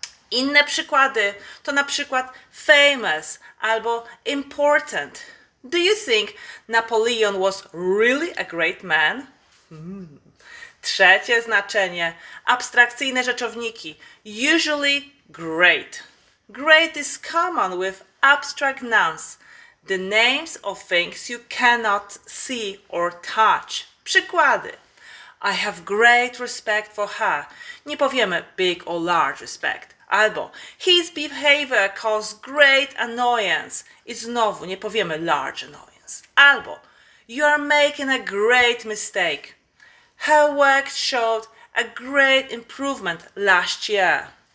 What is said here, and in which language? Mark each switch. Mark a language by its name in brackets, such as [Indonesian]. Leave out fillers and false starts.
[Polish] Inne przykłady to na przykład famous albo important. [English] Do you think Napoleon was really a great man? [Polish] Trzecie znaczenie. Abstrakcyjne rzeczowniki. [English] Usually great. Great is common with abstract nouns. The names of things you cannot see or touch. [Polish] Przykłady. [English] I have great respect for her. [Polish] Nie powiemy [English] big or large respect. [Polish] Albo [English] his behavior caused great annoyance. [Polish] I znowu nie powiemy [English] large annoyance. [Polish] Albo [English] you are making a great mistake. Her work showed a great improvement last year.